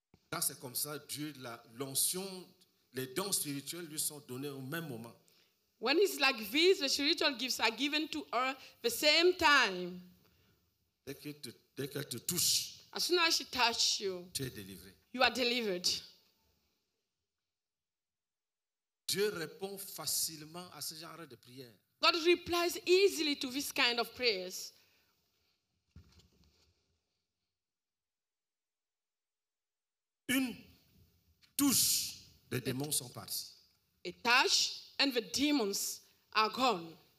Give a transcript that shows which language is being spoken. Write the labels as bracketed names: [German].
[French] Quand c'est comme ça, Dieu, l'onction, les dons spirituels lui sont donnés au même moment. [English] When it's like this, the spiritual gifts are given to her the same time. [French] Dès qu'elle te touche, [English] as soon as she touches you, [French] tu es délivré. [English] You are delivered. [French] Dieu répond facilement à ce genre de prière. [English] God replies easily to this kind of prayers. [French] Une touche, les démons sont partis. [English] A touch and the demons are gone.